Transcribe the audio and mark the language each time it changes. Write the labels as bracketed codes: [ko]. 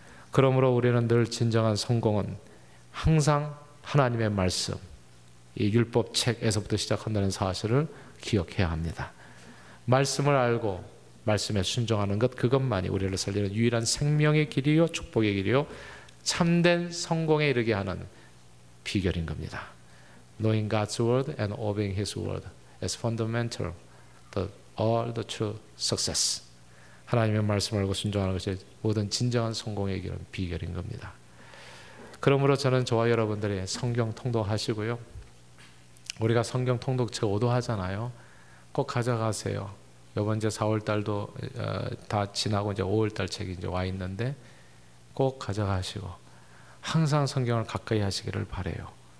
[ko] 그러므로 우리는 늘 진정한 성공은 항상 하나님의 말씀, 이 율법책에서부터 시작한다는 사실을 기억해야 합니다. 말씀을 알고 말씀에 순종하는 것, 그것만이 우리를 살리는 유일한 생명의 길이요 축복의 길이요 참된 성공에 이르게 하는 비결인 겁니다. [en] Knowing God's word and obeying His word is fundamental to all the true success. [ko] 하나님의 말씀을 알고 순종하는 것이 모든 진정한 성공의 길은 비결인 겁니다. 그러므로 저는 저와 여러분들이 성경 통독하시고요. 우리가 성경 통독 제 오도하잖아요. 꼭 가져가세요. 이번 이제 4월 달도 다 지나고 이제 5월 달 책이 이제 와 있는데 꼭 가져가시고 항상 성경을 가까이 하시기를 바래요.